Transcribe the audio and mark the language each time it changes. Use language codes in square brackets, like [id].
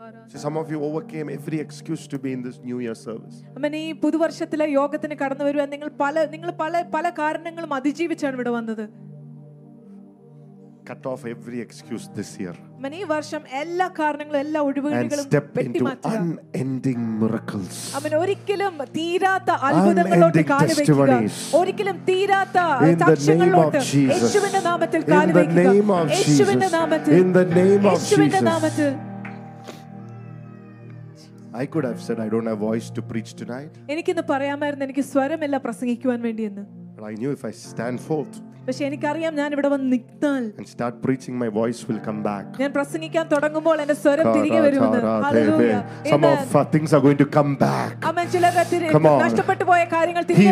[en] See, some of you overcame every excuse to be in this new year service. [ml] അമ്മേ ഈ പുതുവർഷത്തിലെ യോഗത്തിന് കടന്നു വരുവ നിങ്ങൾ പല കാരണങ്ങളും അതിജീവിച്ചാണ് ഇവിടെ വന്നത്. [en] Cut off every excuse this year. [ml] അമ്മേ ഈ വർഷം എല്ലാ കാരണങ്ങളും എല്ലാ ഒഴിവുകളും വെട്ടി മാറ്റുക. [en] And step into unending miracles. [ml] അമ്മേ ഒരിക്കലും തീരാത്ത അത്ഭുതങ്ങളോട് കാല് വെക്കുക. ഒരിക്കലും തീരാത്ത സാക്ഷ്യങ്ങളോട് യേശുവിന്റെ നാമത്തിൽ കാല് വെക്കുക. യേശുവിന്റെ നാമത്തിൽ. [en] In the name of Jesus. [ml] യേശുവിന്റെ നാമത്തിൽ. [en] I could have said I don't have voice to preach tonight. [ml] എനിക്കിന്ന് പറയാമായിരുന്നു എനിക്ക് സ്വരമില്ല പ്രസംഗിക്കാൻ വേണ്ടി എന്ന്. [en] But I knew if I stand forth. [ml] പക്ഷേ എനിക്കറിയാം ഞാൻ ഇവിടെ വന്ന് നിൽക്കാൻ. [en] And start preaching my voice will come back. [ml] ഞാൻ പ്രസംഗിക്കാൻ തുടങ്ങുമ്പോൾ എൻ്റെ സ്വരം തിരികെ വരുമെന്ന്. [en] Hallelujah. Some of things are going to come back. [ml] അമേൻ. ചിലരെ നഷ്ടപ്പെട്ടു പോയ കാര്യങ്ങൾ തിരികെ